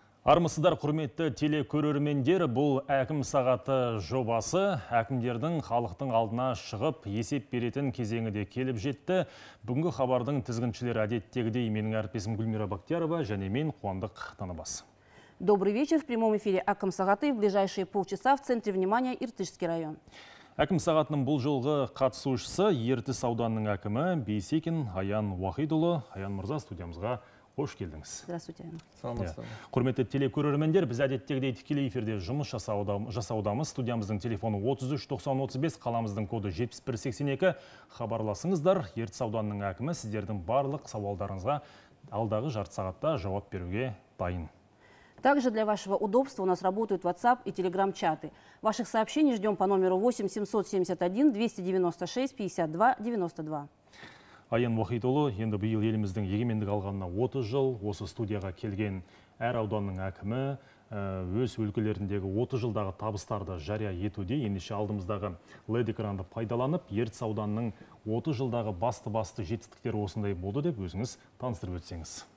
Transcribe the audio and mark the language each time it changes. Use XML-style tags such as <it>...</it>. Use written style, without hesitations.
<kk>Армысыздар, құрметті телекөрермендер, бұл әкім сағаты жобасы. Әкімдердің халықтың алдына шығып, есеп беретін кезеңі де келіп жетті. Бүгінгі хабардың тізгіншілері әдеттегідей менің әріптесім Гүлмира Бақтиярова және мен Қуандық Таныбас.</kk> <ru>Добрый вечер. В прямом эфире әкім сағаты. В ближайшие полчаса в центре внимания Иртышский район.</ru> <kk>Әкім сағатының бұл жолғы қатысушысы Ертіс ауданының әкімі Бейсекин Аян Уахидұлы. Аян мырза, студиямызға қош келдіңіз.</kk> <ru>Здравствуйте.</ru> <kk>Саламатсыз ба? Құрметті телекөрермендер, біз әдеттегідей тікелей эфирде жұмыс жасаудамыз. Студиямыздың телефоны 33-90-35, қаламыздың коды 71-82. Хабарласыңыздар. Ертіс ауданының әкімі сіздердің барлық сауалдарыңызға алдағы жарты сағатта жауап беруге дайын.</kk> <ru>Также для вашего удобства у нас работают WhatsApp и Telegram чаты. Ваших сообщений ждем по номеру 8 771 296 52 92.</ru> <kk>Аян Уахидұлы, енді бұл еліміздің егемендік алғанына 30 жыл, осы студияға келген әр ауданның әкімі өз өлкелеріндегі 30 жылдағы табыстарды жария етуде. Ендіше алдымыздағы LED-экранды пайдаланып, Ертіс ауданының 30 жылдағы басты-басты жетістіктері осындай болды деп өзіңіз таныстырып өтсеңіз.</kk>